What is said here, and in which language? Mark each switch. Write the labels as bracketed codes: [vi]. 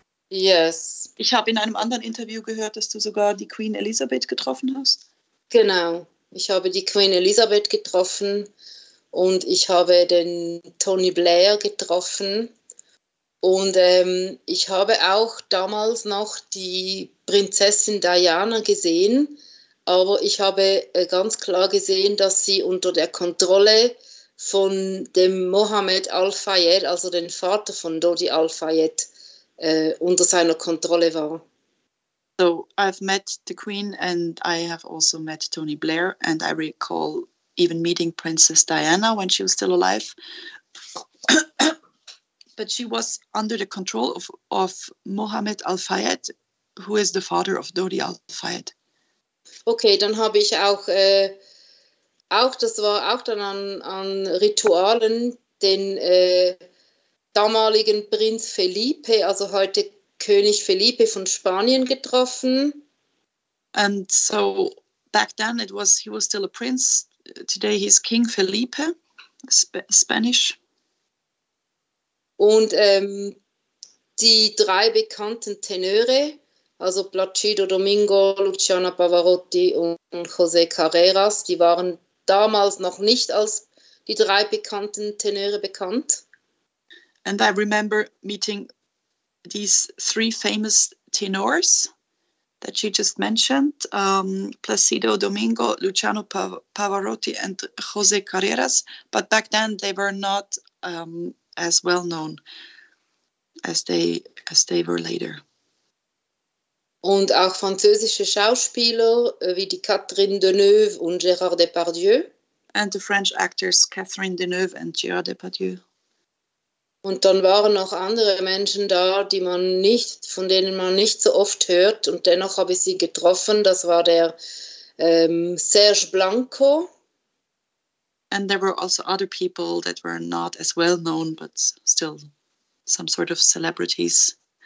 [en] Yes. [de] Ich habe in einem anderen Interview gehört, dass du sogar die Queen Elizabeth getroffen hast. Genau. Ich habe die Queen Elizabeth getroffen und ich habe den Tony Blair getroffen. Und ich habe auch damals noch die Prinzessin Diana gesehen. Aber ich habe ganz klar gesehen, dass sie unter der Kontrolle von dem Mohammed Al-Fayed, also dem Vater von Dodi Al-Fayed, unter seiner Kontrolle war. [en] So, I've met the Queen and I have also met Tony Blair and I recall even meeting Princess Diana when she was still alive. But she was under the control of Mohammed Al-Fayed, who is the father of Dodi Al-Fayed. [de] Okay, dann habe ich auch, das war auch dann an Ritualen, den damaligen Prinz Felipe, also heute König Felipe von Spanien, getroffen. [en] And so back then he was still a prince. Today he's King Felipe, Spanish. [de] Und die drei bekannten Tenöre, also Placido Domingo, Luciano Pavarotti und José Carreras, die waren damals noch nicht als die drei bekannten Tenöre bekannt. [en] And I remember meeting these three famous tenors that you just mentioned, Placido Domingo, Luciano Pavarotti, and José Carreras. But back then they were not as well known as they were later. [de] Und auch französische Schauspieler wie die Catherine Deneuve und Gérard Depardieu. [en] and the French actors Catherine Deneuve and Gérard Depardieu. [de] Und dann waren noch andere Menschen da, die man nicht, von denen man nicht so oft hört, und dennoch habe ich sie getroffen. Das war der Serge Blanco. [en] And there were also other people that were not as well known, but still some sort of celebrities.